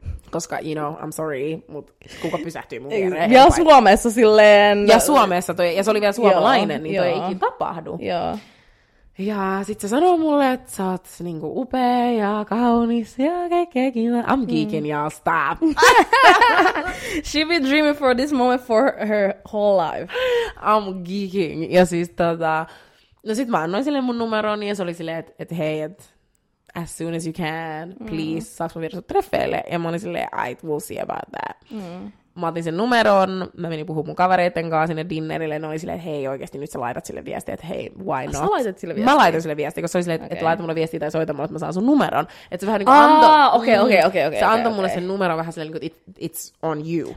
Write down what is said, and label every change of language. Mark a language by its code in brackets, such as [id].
[fi] Koska, [en] you know, I'm sorry, [fi] mut kuka pysähtyy mun viereen? Ja Suomessa silleen. Ja Suomessa, toi, ja se oli vielä suomalainen, joo, niin toi ei ikin tapahdu. Joo. Ja sit se sanoo mulle, että sä oot niinku upea ja kaunis ja kaikkea kiva. [en] I'm geeking, y'all, stop. She's been dreaming for this moment for her whole life. I'm geeking. [fi] Ja siis tota, no sit mä annoin sille mun numeron, ja se oli silleen, että et, hei, että [en] as soon as you can, please, [fi] saaks mä viedä sut treffeille? Ja mä olin silleen, [en] I will see about that. [fi] Mä otin sen numeron, mä menin puhumaan mun kavereiden kanssa sinne dinnerille, ne oli silleen, että hei, oikeesti nyt sä laitat sille viestiä, että hei, [en] why not? [fi] Sä laitat sille viestiä? Mä laitan sille viestiä, koska se oli silleen, okay, että laita mulle viestiä tai soita mulle, että mä saan sun numeron. Että se vähän niinku antoi mulle sen numeron vähän silleen, että [en] it's on you.